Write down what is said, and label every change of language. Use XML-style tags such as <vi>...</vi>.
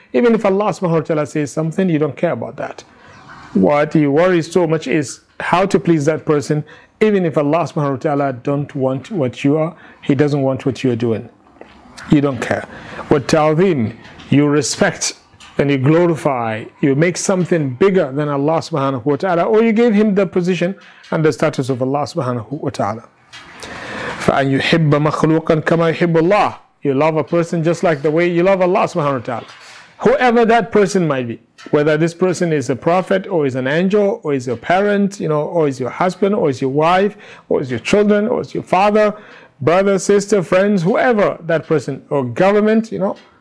<en>Even if Allah subhanahu wa ta'ala says something, you don't care about that. What you worry so much is how to please that person, even if Allah subhanahu wa ta'ala don't want what you are, he doesn't want what you are doing. You don't care. Wa ta'zim, you respect and you glorify, you make something bigger than Allah subhanahu wa ta'ala, or you give him the position and the status of Allah subhanahu wa ta'ala.</en> <ar>فأن يحب مخلوقا كما يحب الله.</ar> <en>You love a person just like the way you love Allah subhanahu wa ta'ala. Whoever that person might be, whether this person is a prophet or is an angel or is your parent, you know, or is your husband or is your wife or is your children or is your father, brother, sister, friends, whoever that person, or government, you know.</en>